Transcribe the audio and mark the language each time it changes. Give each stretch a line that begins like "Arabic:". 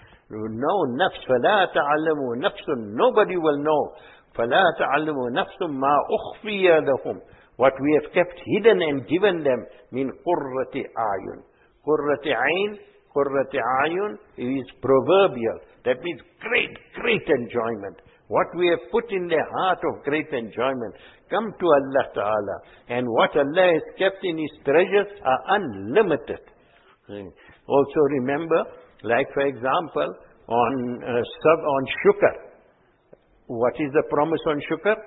Arabic: No nafs, فَلَا تَعْلَمُ نَفْسٌ.
English: Nobody will know.
Arabic: فَلَا تَعْلَمُ نَفْسٌ مَا أُخْفِيَ لَهُمْ.
English: What we have kept hidden and given them,
Arabic: مِنْ قُرَّةِ أَعْيُنٍ. قُرَّةِ عَيْنٍ, قُرَّةِ أَعْيُنٍ
English: is proverbial. That means great, great enjoyment. What we have put in their heart of great enjoyment, come to Allah Ta'ala. And what Allah has kept in His treasures are unlimited. Also remember, like for example, on shukr, what is the promise on shukr?